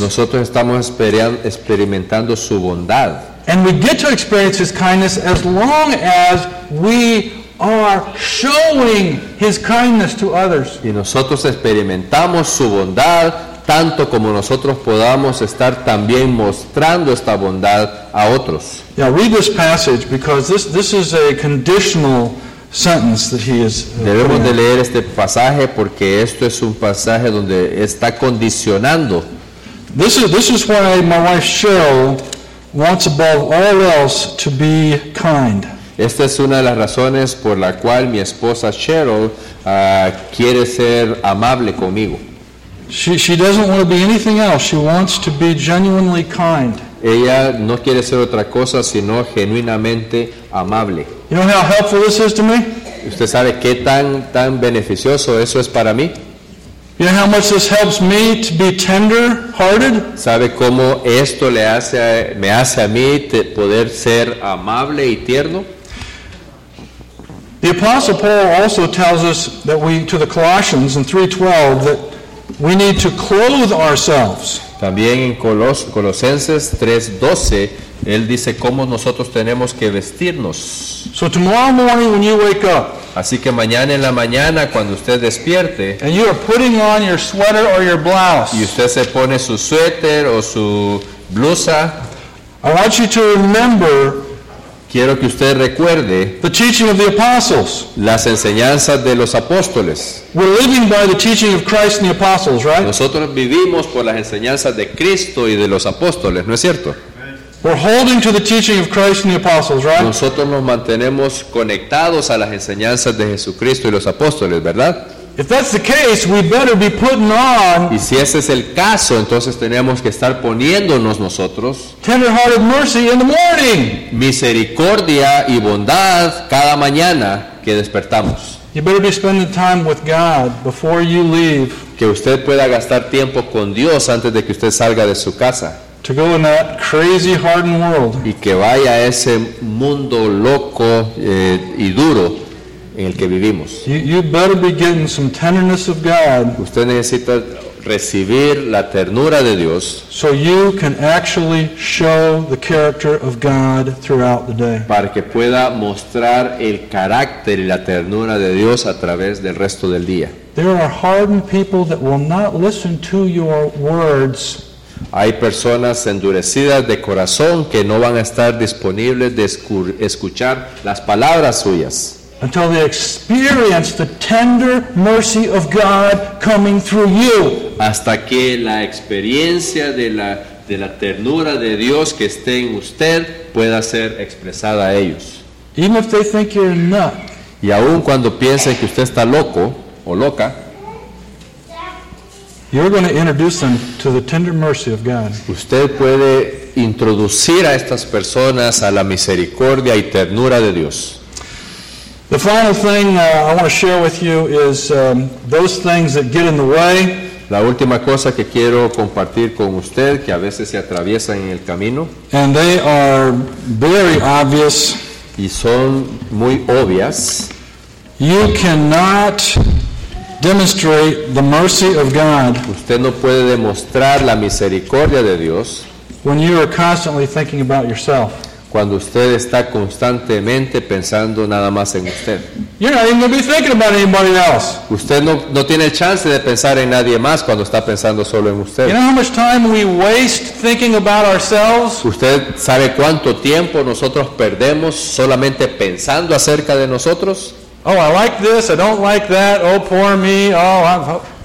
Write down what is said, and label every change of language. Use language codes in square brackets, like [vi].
[es] Nosotros estamos experimentando su bondad. [en] And we get to experience His kindness as long as we are showing His kindness to others. [es] Y nosotros experimentamos su bondad tanto como nosotros podamos estar también mostrando esta bondad a otros. [en] Now read this passage because this is a conditional sentence that he is. [es] Debemos de leer este pasaje porque esto es un pasaje donde está condicionando. [en] This is why my wife Cheryl wants above all else to be kind. [es] Esta es una de las razones por la cual mi esposa Cheryl quiere ser amable conmigo. [en] She doesn't want to be anything else. She wants to be genuinely kind. [es] Ella no quiere ser otra cosa sino genuinamente amable. [en] You know how helpful this is to me? [es] ¿Usted sabe qué tan beneficioso eso es para mí? [en] You know how much this helps me to be tender-hearted? [es] ¿Sabe cómo esto me hace a mí poder ser amable y tierno? [en] The Apostle Paul also tells us that we to the Colossians in 3:12 that we need to clothe ourselves. [es] También en Colosenses 3:12 él dice cómo nosotros tenemos que vestirnos. [en] So tomorrow morning when you wake up, [es] así que mañana en la mañana cuando usted despierte, [en] and you are putting on your sweater or your blouse, [es] y usted se pone su suéter o su blusa, [en] I want you to remember, [es] quiero que usted recuerde, [en] the teaching of the apostles, [es] las enseñanzas de los apóstoles. [en] We're living by the teaching of Christ and the apostles, right? [es] Nosotros vivimos por las enseñanzas de Cristo y de los apóstoles, ¿no es cierto? [en] We're holding to the teaching of Christ and the apostles, right? [es] Nosotros nos mantenemos conectados a las enseñanzas de Jesucristo y los apóstoles, ¿verdad? [en] If that's the case, we better be putting on. [es] Y si ese es el caso, entonces tenemos que estar poniéndonos nosotros. [en] Tender-hearted mercy in the morning. [es] Misericordia y bondad cada mañana que despertamos. [en] You better be spending time with God before you leave. [es] Que usted pueda gastar tiempo con Dios antes de que usted salga de su casa. [en] To go in that crazy, hardened world. [es] Y que vaya a ese mundo loco y duro. En el que vivimos. [en] You better be getting some tenderness of God. [es] Usted necesita recibir la ternura de Dios. [en] So you can actually show the character of God throughout the day. [es] Para que pueda mostrar el carácter y la ternura de Dios a través del resto del día. [en] There are hardened people that will not listen to your words. [es] Hay personas endurecidas de corazón que no van a estar disponibles de escuchar las palabras suyas. [en] Until they experience the tender mercy of God coming through you. [es] Hasta que la experiencia de la ternura de Dios que esté en usted pueda ser expresada a ellos. [en] Even if they think you're nut. [es] Y aun cuando piensen que usted está loco o loca, [en] you're going to introduce them to the tender mercy of God. [es] Usted puede introducir a estas personas a la misericordia y ternura de Dios. [en] The final thing I want to share with you is those things that get in the way. [es] La última cosa que quiero compartir con usted que a veces se atraviesan en el camino. [en] And they are very obvious. [es] Y son muy obvias. [en] You cannot demonstrate the mercy of God. [es] Usted no puede demostrar la misericordia de Dios. [en] When you are constantly thinking about yourself. [es] Cuando usted está constantemente pensando nada más en usted. [en] You're not even going to be thinking about anybody else. [es] Usted no tiene chance de pensar en nadie más cuando está pensando solo en usted. [en] You know how much time we waste thinking about ourselves? [es] ¿Usted sabe cuánto tiempo nosotros perdemos solamente pensando acerca de nosotros? [en] Oh, I like this, I don't like that, oh, poor me, oh, I'm...